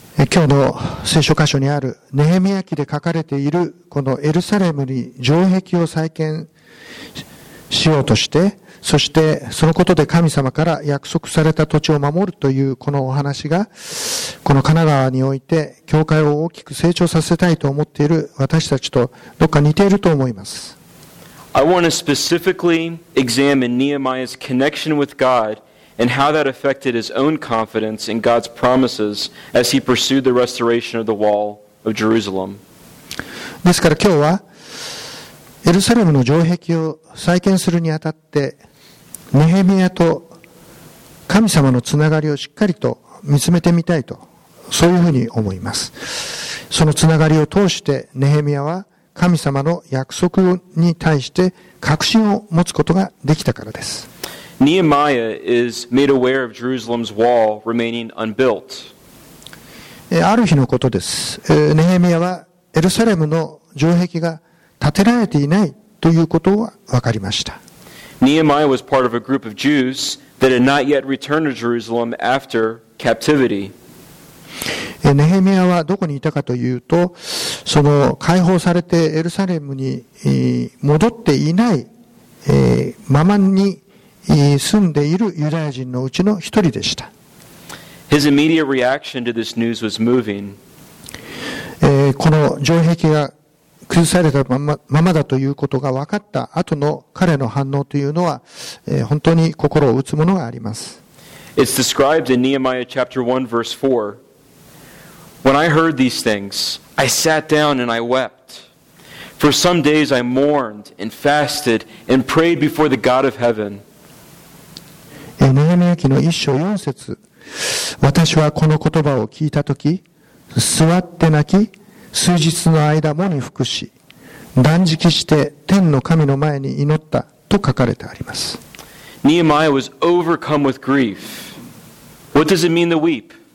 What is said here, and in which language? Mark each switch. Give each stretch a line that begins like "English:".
Japanese: 今日の聖書箇所にあるネヘミヤ記で書かれているこのエルサレムに城壁を再建しようとして、そしてそのことで神様から約束された土地を守るというこのお話が、この神奈川において教会を大きく成長させたいと思っている私たちとどっか似ていると思います。
English: I want to specifically examine Nehemiah's connection with God and how that affected his own confidence in God's promises as he pursued the restoration of the wall of Jerusalem.
Japanese: ですから今日はエルサレムの城壁を再建するにあたってネヘミヤと神様のつながりをしっかりと見つめてみたいと、そういうふうに思います。そのつながりを通してネヘミヤは神様の約束に対して確信を持つことができたからです。
English: ネヘミヤ is made aware of Jerusalem's wall remaining unbuilt.
Japanese: ある日のことです。ネヘミヤはエルサレムの城壁が建てられていないということは分かりました。
English: Nehemiah was part of a group of Jews that had not yet returned to Jerusalem after captivity.
Japanese: ネヘミヤはどこにいたかというと、その解放されてエルサレムに戻っていないままに住んでいるユダヤ人のうちの一人でした。
English: His immediate reaction to this news was moving.
Japanese: この城壁が崩されたままだということが分かった後の彼の反応というのは、本当に心を打つものがあります。
English: It's described in Nehemiah chapter 1 verse 4. When I heard these things, I sat down and I wept. For some days I mourned and fasted and prayed before the God of heaven.
Japanese: ネヘミヤ記の1章4節、私はこの言葉を聞いたとき座って泣き数日の間もに服し断食して天の神の前に祈ったと書かれてあります。
English: ネヘミヤ was overcome with grief. What does it mean to weep?